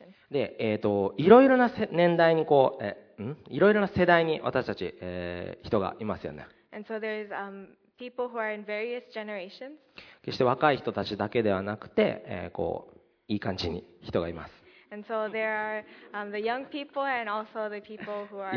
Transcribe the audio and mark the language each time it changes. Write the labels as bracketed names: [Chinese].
[Japanese] で、いろいろな年代にこう、いろいろな世代に私たち、人がいますよね。 [English] And so there's, people who are in various generations. [Japanese] 決して若い人たちだけではなくて、こういい感じに人がいます。 [English] And so there are, the young people and also the people who are older.